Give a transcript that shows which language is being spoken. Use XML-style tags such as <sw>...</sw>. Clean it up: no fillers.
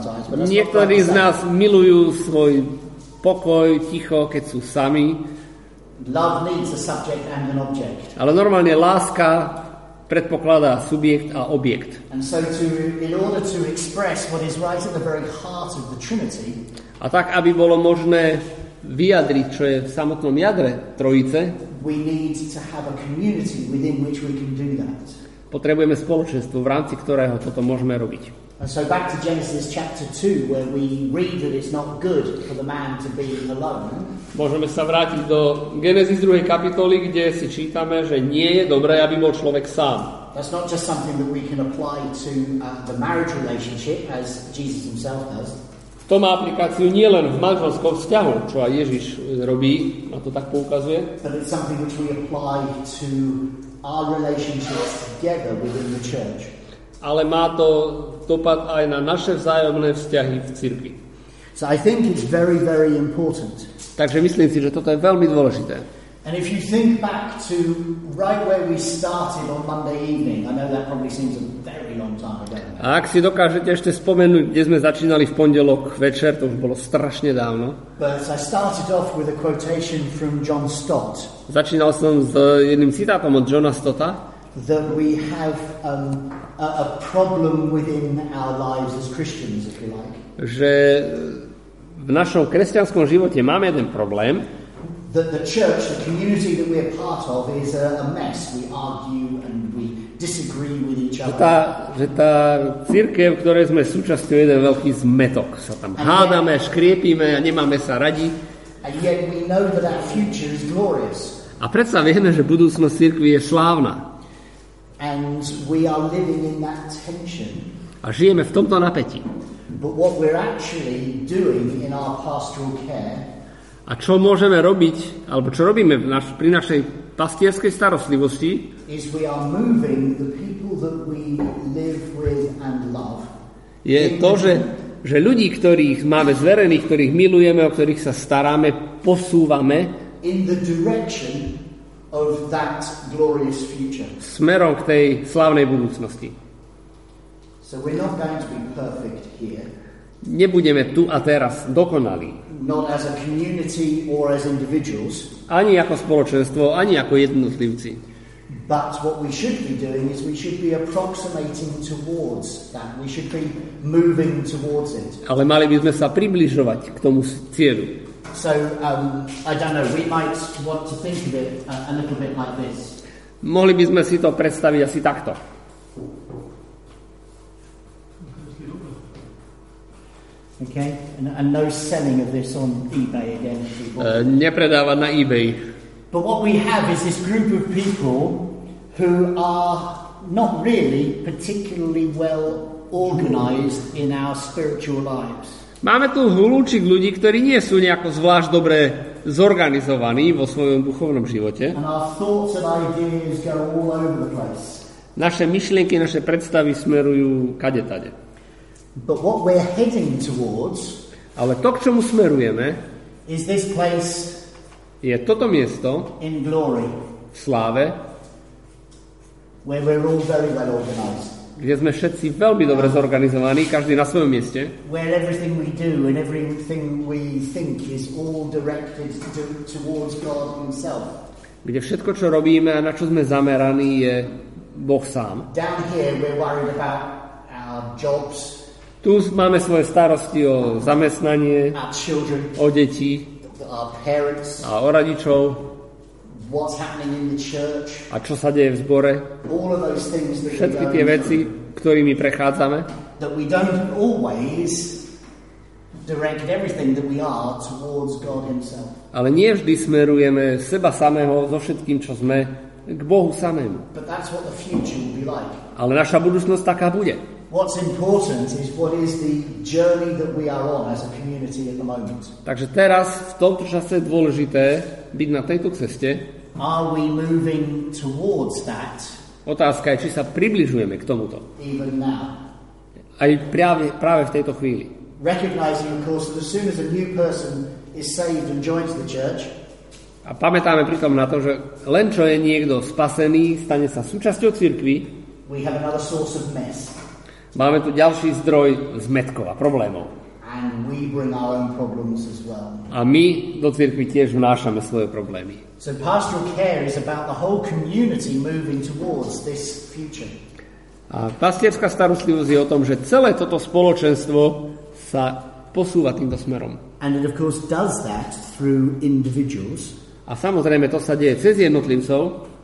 <sk>Niektorí z nás milujú svoj pokoj, ticho, keď sú sami.</sk> <en>Love needs a subject and an object.</en> <sk>Ale normálne láska predpokladá subjekt a objekt.</sk> <en>And so to, in order to express what is right at the very heart of the Trinity,</en> <sk>a tak, aby bolo možné vyjadriť, čo je v samotnom jadre Trojice,</sk> <en>we need to have a community within which we can do that.</en> <sk>Potrebujeme spoločenstvo, v rámci ktorého toto môžeme robiť.</sk> <en>And so back to Genesis chapter 2, where we read that it's not good for the man to be alone.</en> <sk>Môžeme sa vrátiť do Genesis 2. kapitoly, kde si čítame, že nie je dobré, aby bol človek sám.</sk> <en>That's not just something that we can apply to the marriage relationship, as Jesus himself does.</en> <sk>To má aplikáciu nielen v manželskom vzťahu, čo aj Ježiš robí, a to tak poukazuje.</sk> <en>But it's something which we apply to our relationships together within the church.</en> <sk>Ale má to dopad aj na naše vzájomné vzťahy v cirkvi.</sk> <en>So I think it's very, very important.</en> <sk>Takže myslím si, že toto je veľmi dôležité.</sk> <en>And if you think back to right where we started on Monday evening, I know that probably seems a very long time ago.</en> <sk>A ak si dokážete ešte spomenúť, kde sme začínali v pondelok večer, to už bolo strašne dávno.</sk> <en>But I started off with a quotation from John Stott.</en> <sk>Začínal som s jedným citátom od Johna Stotta.</sk> <en>That we have a problem within our lives as Christians, if you like.</en> <sk>Že v našom kresťanskom živote máme jeden problém.</sk> <en>That the church, the community that we are part of, is a mess. We argue and we disagree with each other.</en> <sk>Že tá cirkev, ktorej sme súčasťou, je jeden veľký zmetok. Sa tam</sk> <en>and</en> <sk>hádame, škriepíme a nemáme sa radi.</sk> <en>And yet we know that our future is glorious.</en> <sk>A predsa vieme, že budúcnosť cirkvi je slávna.</sk> <en>And we are living in that tension.</en> <sk>A žijeme v tomto napätí.</sk> <en>But what we're actually doing in our pastoral care,</en> <sk>a čo môžeme robiť, alebo čo robíme pri našej pastierskej starostlivosti,</sk> <en>is we are moving the people that we live with and love.</en> <sk>Je to, že ľudí, ktorých máme zverených, ktorých milujeme, o ktorých sa staráme, posúvame</sk> <en>in the direction of that glorious future.</en> <sk>Smerom k tej slávnej budúcnosti.</sk> <en>So we're not going to be perfect here.</en> <sk>Nebudeme tu a teraz dokonalí.</sk> <en>Not as a community or as individuals.</en> <sk>Ani ako spoločenstvo, ani ako jednotlivci.</sk> <en>But what we should be doing is we should be approximating towards that. We should be moving towards it.</en> <sk>Ale mali by sme sa približovať k tomu cieľu.</sk> <en>So, I don't know, we might want to think of it a little bit like this.</en> <sk>Mohli by sme si to predstaviť asi takto.</sk> <en>Okay, and no selling of this on eBay again.</en> <sk>Nepredáva na eBay.</sk> <en>But what we have is this group of people who are not really particularly well organized in our spiritual lives.</en> <sk>Máme tu hlúčik ľudí, ktorí nie sú nejako zvlášť dobre zorganizovaní vo svojom duchovnom živote.</sk> <en>And our thoughts and ideas go all over the place.</en> <sk>Naše myšlienky, naše predstavy smerujú kadetade.</sk> <en>But what we're heading towards,</en> <sk>ale to, k čomu smerujeme,</sk> <en>is this place,</en> <sk>je toto miesto</sk> <en>in glory,</en> <sk>v sláve,</sk> <en>where we're all very well organized,</en> <sk>kde sme všetci veľmi dobre zorganizovaní, každý na svojom mieste,</sk> <en>where everything we do and everything we think is all directed towards God himself,</en> <sk>kde všetko, čo robíme a na čo sme zameraní, je Boh sám.</sk> <en>Down here we're worried about our jobs.</en> <sk>Tu máme svoje starosti o zamestnanie,</sk> <en>our children,</en> <sk>o deti,</sk> <en>our parents,</en> <sk>a o rodičov.</sk> <en>What's happening in the church?</en> <sk>A čo sa deje v zbore?</sk> <en>All of those things that</en> <sk>všetky tie veci, ktorými prechádzame.</sk> <en>That we don't always direct everything that we are towards God himself.</en> <sk>Ale nie vždy smerujeme seba samého so všetkým, čo sme, k Bohu samému.</sk> <en>But that's what the future will be like.</en> <sk>Ale naša budúcnosť taká bude.</sk> <en>What's important is what is the journey that we are on as a community at the moment.</en> <sk>Takže teraz v tomto čase je dôležité byť na tejto ceste.</sk> <en>Are we moving towards that?</en> <sk>Otázka je, či sa približujeme k tomuto.</sk> <en>Even now.</en> <sk>Aj práve v tejto chvíli.</sk> <en>Recognizing, of course, that as soon as a new person is saved and joins the church.</en> <sk>A pamätáme pritom na to, že len čo je niekto spasený, stane sa súčasťou cirkvi.</sk> <en>We have another source of mess.</en> <sk>Máme tu ďalší zdroj zmetkov a problémov.</sk> <en>And we bring our own problems as well.</en> <sk>A my do cirkvi tiež vnášame svoje problémy.</sk> <en>So pastoral care is about the whole community moving towards this future.</en> <sk>A pastierská starostlivosť je o tom, že celé toto spoločenstvo sa posúva týmto smerom.</sk> <en>And it of course does that through individuals.</en> <sk>A samozrejme to sa deje cez jednotlivcov.</sk>